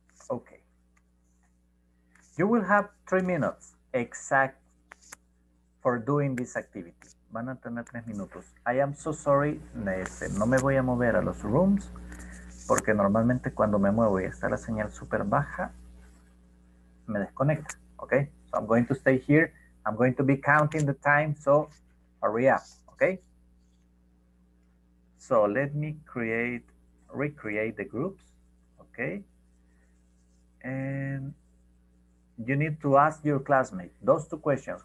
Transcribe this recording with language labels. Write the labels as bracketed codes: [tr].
[en] Okay, you will have 3 minutes exact for doing this activity. [es] Van a tener 3 minutos. [en] I am so sorry, [es] no me voy a mover a los rooms, porque normalmente cuando me muevo y está la señal súper baja, me desconecta. [en] Okay, so I'm going to stay here. I'm going to be counting the time, so hurry up, okay? So let me recreate the groups, okay? And you need to ask your classmate those two questions.